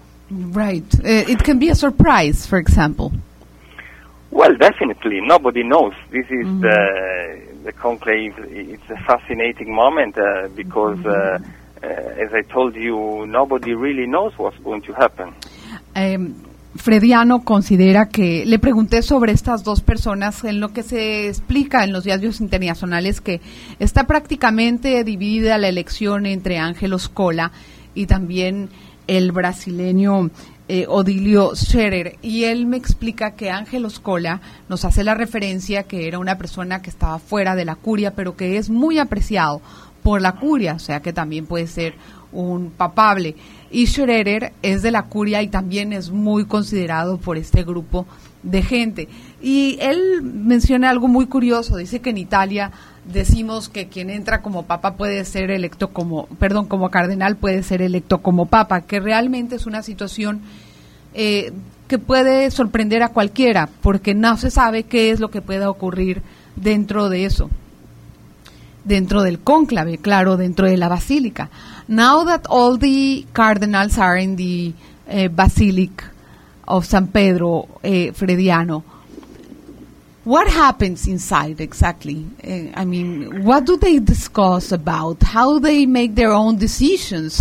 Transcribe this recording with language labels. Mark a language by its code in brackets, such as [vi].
[en] Right. It can be a surprise, for example. Well, definitely. Nobody knows. This is the conclave. It's a fascinating moment because... Mm-hmm. As I told you, nobody really knows what's going to happen. [es] Frediano considera que, le pregunté sobre estas dos personas, en lo que se explica en los diarios internacionales, que está prácticamente dividida la elección entre Angelo Scola y también el brasileño Odilio Scherer, y él me explica que Angelo Scola nos hace la referencia que era una persona que estaba fuera de la curia, pero que es muy apreciado por la curia, o sea que también puede ser un papable. Y Scherer es de la curia y también es muy considerado por este grupo de gente. Y él menciona algo muy curioso, dice que en Italia decimos que quien entra como papa puede ser electo como, perdón, como cardenal puede ser electo como papa, que realmente es una situación que puede sorprender a cualquiera, porque no se sabe qué es lo que pueda ocurrir dentro de eso. Dentro del conclave, claro, dentro de la basílica. [en] Now that all the cardinals are in the Basilica of San Pedro Frediano, what happens inside exactly? I mean, what do they discuss about? How they make their own decisions?